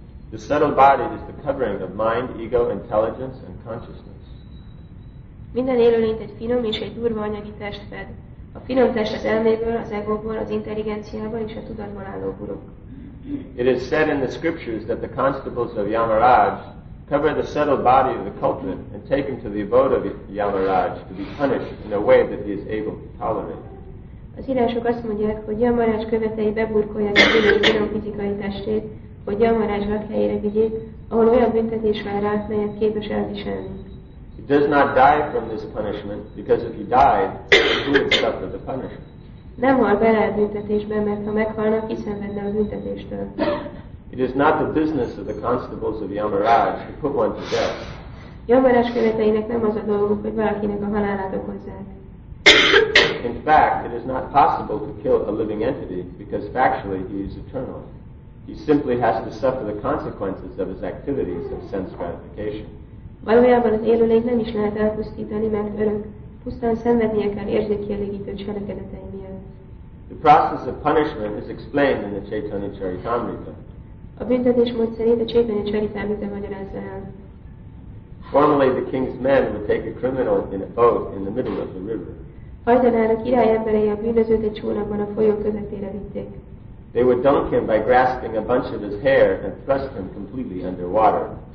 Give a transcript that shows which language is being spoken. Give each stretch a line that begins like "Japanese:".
English: The subtle body is the covering of mind, ego, intelligence, and consciousness.
Hungarian: Minden élőlényt egy finom és egy durva anyagi test fed. A finom test az elméből, az egóból, az intelligenciából és a tudatból álló burok.
English: It is said in the scriptures that the constables of Yamaraj cover the subtle body of the culprit and take him to the abode of Yamaraj to be punished in a way that he is able to tolerate.
Hungarian: Az írások azt mondják, hogy Yamaraj követei beburkolják a finom fizikai testét, hogy Yamaraj lakhelyére vigyék, ahol olyan büntetés vár rá, melyet képes elviselni.
English: He does not die from this punishment, because if he died, he would suffer the punishment.
Hungarian: Nem hal bele a büntetésbe, mert ha meghalna, kiszenvedne a büntetéstől.
English: It is not the business of the constables of Yamaraj to put one to death.
Hungarian: Yamaraj követeinek nem az a dolguk, hogy valakinek a halálát okozzák.
English: In fact, it is not possible to kill a living entity because factually he is eternal. He simply has to suffer the consequences of his activities of sense gratification.
Hungarian: Valójában az élőlény nem is lehet elpusztítani, mert örök, pusztán szenvednie kell érzékkielégítő cselekedetei miatt.
English: The process of punishment is explained in the Chaitanya Charitamrita.
Hungarian: A büntetés módszerét a Chaitanya Charitamrita magyarázza el.
English: Formerly the king's men would take a criminal in a boat in the middle of the river.
Hungarian: Hajdanán a király emberei a bűnözőt egy csónakban a folyó közepére vitték.
English: They would dunk him by grasping a bunch of his hair and thrust him completely under water.